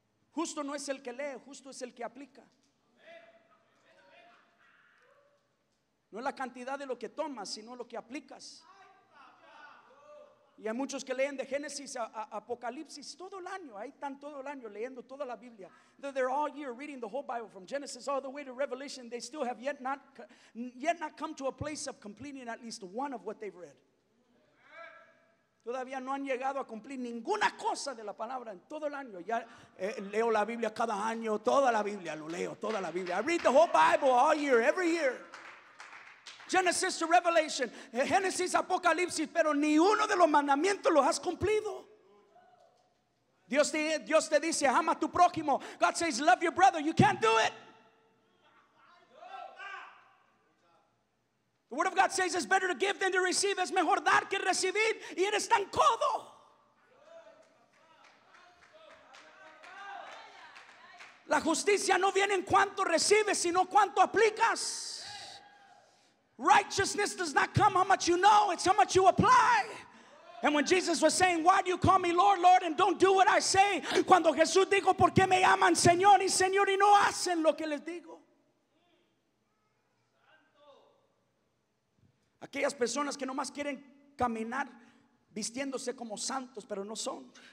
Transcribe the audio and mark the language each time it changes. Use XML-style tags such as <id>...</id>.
<es>Justo no es el que lee, justo es el que aplica. No es la cantidad de lo que tomas, sino lo que aplicas. Y hay muchos que leen de Génesis a Apocalipsis todo el año. Ahí están todo el año leyendo toda la Biblia.</es> <en>They're all year reading the whole Bible from Genesis all the way to Revelation. They still have yet not come to a place of completing at least one of what they've read.</en> <es>Todavía no han llegado a cumplir ninguna cosa de la palabra en todo el año. Ya leo la Biblia cada año, toda la Biblia, lo leo, toda la Biblia.</es> <en>I read the whole Bible all year, every year. Genesis to Revelation,</en> <es>Génesis, Apocalipsis, pero ni uno de los mandamientos los has cumplido. Dios te dice, ama a tu prójimo.</es> <en>God says, love your brother. You can't do it. The word of God says, it's better to give than to receive.</en> <es>Es mejor dar que recibir. Y eres tan codo. La justicia no viene en cuanto recibes, sino cuanto aplicas.</es> <en>Righteousness does not come how much you know, it's how much you apply. And when Jesus was saying, why do you call me Lord, Lord, and don't do what I say?</en> <es>Cuando Jesús dijo, ¿por qué me llaman Señor y Señor y no hacen lo que les digo? Aquellas personas que nomás quieren caminar vistiéndose como santos, pero no son.</es>